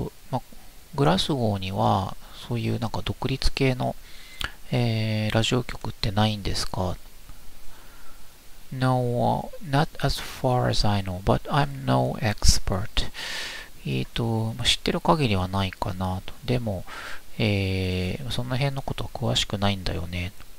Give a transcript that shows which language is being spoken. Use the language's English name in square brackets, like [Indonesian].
[Japanese] まあ、グラスゴーにはそういうなんか独立系の、ラジオ局ってないんですか？ [English] No, not as far as I know, but I'm no expert. [Japanese] 知ってる限りはないかなと。でも、その辺のことは詳しくないんだよね。